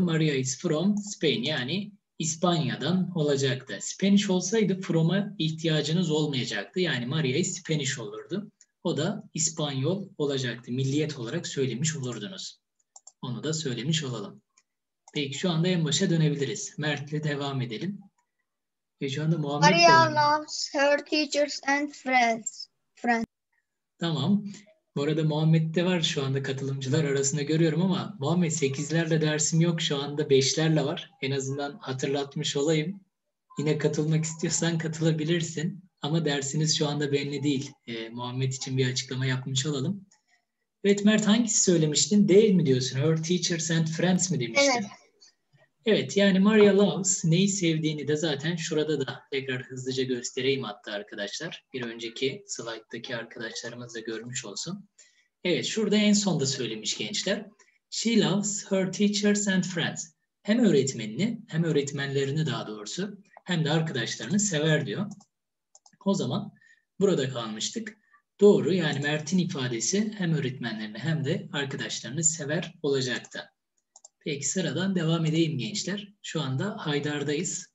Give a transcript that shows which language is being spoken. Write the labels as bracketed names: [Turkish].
[English] Maria is from Spain. [Turkish] Yani İspanya'dan olacaktı. Spanish olsaydı from'a ihtiyacınız olmayacaktı. Yani Maria [English] is Spanish [Turkish] olurdu. O da İspanyol olacaktı. Milliyet olarak söylemiş olurdunuz. Onu da söylemiş olalım. Peki, şu anda en başa dönebiliriz. Mert'le devam edelim. Ve şu anda Muhammed de var. [English] Maria loves her teachers and friends. [Turkish] Tamam. Bu arada Muhammed de var şu anda katılımcılar arasında görüyorum ama Muhammed 8'lerle dersim yok şu anda 5'lerle var. En azından hatırlatmış olayım. Yine katılmak istiyorsan katılabilirsin. Ama dersiniz şu anda belli değil. Muhammed için bir açıklama yapmış olalım. Evet Mert, hangisi söylemiştin? Değil mi diyorsun? [English] Her teachers and friends [Turkish] mi demiştin? Evet. Evet, yani [English] Maria loves, [Turkish] neyi sevdiğini de zaten şurada da tekrar hızlıca göstereyim hatta arkadaşlar. Bir önceki slayttaki arkadaşlarımız da görmüş olsun. Evet, şurada en sonda söylemiş gençler. [English] She loves her teachers and friends. [Turkish] Hem öğretmenini hem öğretmenlerini daha doğrusu hem de arkadaşlarını sever diyor. O zaman burada kalmıştık. Doğru, yani Mert'in ifadesi hem öğretmenlerini hem de arkadaşlarını sever olacaktı. Peki sıradan devam edeyim gençler. Şu anda Haydar'dayız.